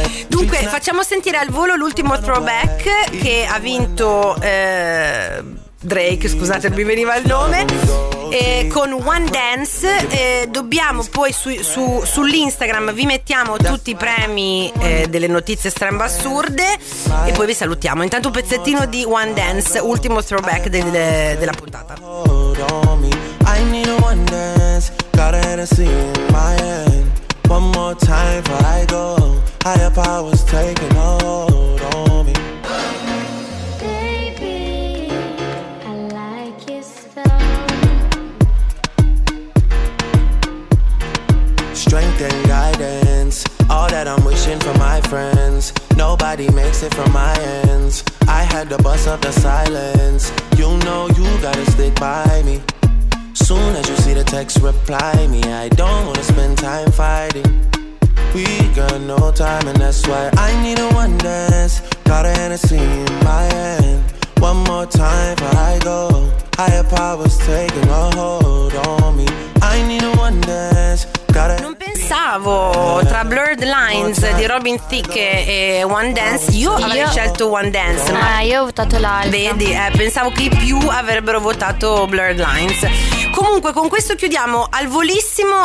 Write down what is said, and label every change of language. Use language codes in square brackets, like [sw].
[it] Dunque facciamo sentire al volo l'ultimo throwback che ha vinto Drake, scusate mi veniva il nome, con One Dance. Dobbiamo poi sull'Instagram vi mettiamo tutti i premi delle notizie estreme assurde e poi vi salutiamo. Intanto un pezzettino di One Dance, ultimo throwback della puntata. [en] I need a one dance, got a Hennessy in my hand. One more time before I go, higher powers taking a hold on me. Baby, I like you so. Strength and guidance, all that I'm wishing for my friends. Nobody makes it from my ends. I had to bust up the silence. You know you gotta stick by me. Soon as you see the text, reply me. I don't wanna spend time fighting. We got no time and that's why I need a one dance. Got a Hennessy in my hand. One more time before I go. Higher powers taking a hold on me. I need a one dance. [it] Non pensavo, tra Blurred Lines di Robin Thicke e One Dance, io avrei scelto One Dance. Ma io ho votato l'altro. Vedi, pensavo che i più avrebbero votato Blurred Lines. Comunque, con questo chiudiamo al volissimo.